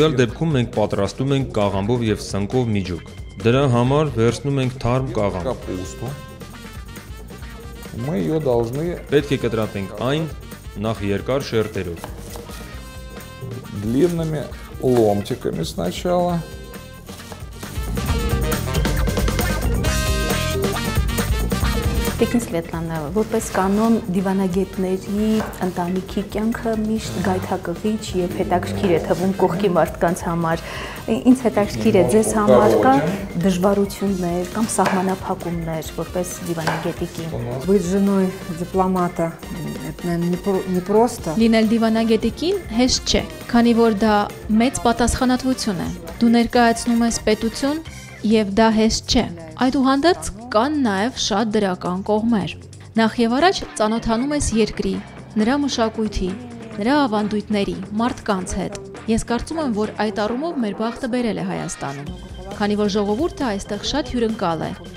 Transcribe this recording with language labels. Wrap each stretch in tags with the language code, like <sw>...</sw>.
<hy>Դավալ դեպքում մենք պատրաստում ենք կաղամբով եւ սնկով միջուկ։ Դրա համար վերցնում ենք թարմ կաղամբ։</hy> <ru>Мы её должны</ru> <hy>Պետք է կտրատենք այն նախ երկար շերտերով։</hy> <ru>Длинными ломтиками сначала.</ru> <hy>Տեխնիկ Սվետլանա, որպես կանոն դիվանագետների ընտանիքի կյանքը միշտ գայթակղիչ եւ հետաքրքիր է թվում կողքի մարդկանց համար։ Ինձ հետաքրքիր է, ձեզ համար կա դժվարություններ կամ սահմանափակումներ որպես դիվանագետի կին։</hy> <ru>Быть женой дипломата это, наверное, не просто.</ru> <hy>Լինել դիվանագետի կին հեշտ չէ, քանի որ դա մեծ պատասխանատվություն է։ Դու ներկայացնում ես պետություն եւ դա հեշտ չէ։ Այդուհանդերձ կան նաև շատ դրական կողմեր։ Նախ եւ առաջ ծանոթանում ես երկրի, նրա մշակույթի, նրա ավանդույթների, մարդկանց հետ։ Ես կարծում եմ, որ այդ առումով մեր բախտը բերել է Հայաստանում, քանի որ ժողովուրդը այստեղ շատ հյուրընկալ է։</hy>